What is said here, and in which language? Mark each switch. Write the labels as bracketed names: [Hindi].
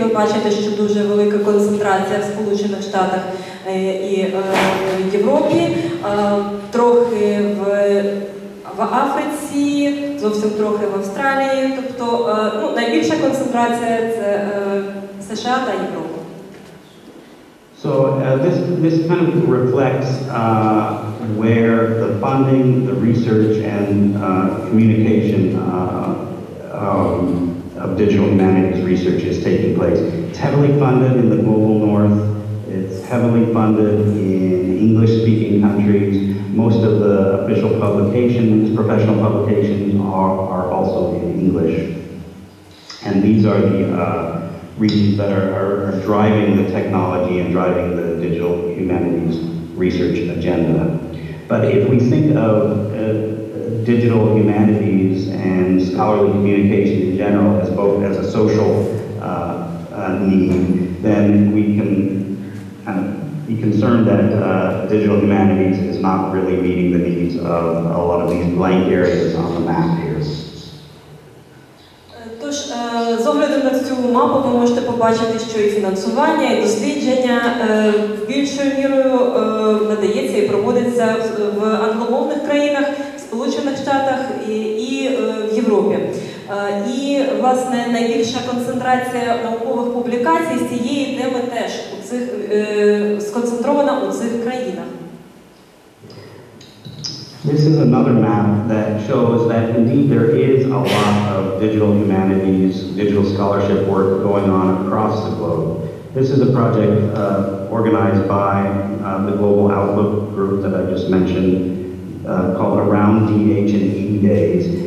[Ukrainian] Ви бачите, що дуже велика концентрація в Сполучених Штатах і Європі, трохи в Африці, зовсім трохи в Австралії. Тобто, ну, найбільша концентрація – це США та Європа. [English] So this kind of reflects where the funding, the research, and communication of digital humanities research is taking place. It's heavily funded in the Global North. It's heavily funded in English-speaking countries. Most of the official publications, professional publications, are also in English. And these are the regions that are driving the technology and driving the digital humanities research agenda. But if we think of digital humanities and scholarly communication in general as both as a social need, then we can kind of be concerned that digital humanities is not really meeting the needs of a lot of these blank areas on the map here. [Ukrainian] Тож, з огляду на цю мапу, ви можете побачити, що і фінансування, і дослідження більшою мірою надається і проводиться в англомовних країнах, в Сполучених Штатах і в Європі. І, власне, найбільша концентрація наукових публікацій з цієї теми теж у цих, сконцентрована у цих країнах. [English] This is another map that shows that indeed there is a lot of digital humanities, digital scholarship work going on across the globe. This is a project organized by the Global Outlook Group that I just mentioned, called Around DH&E Days.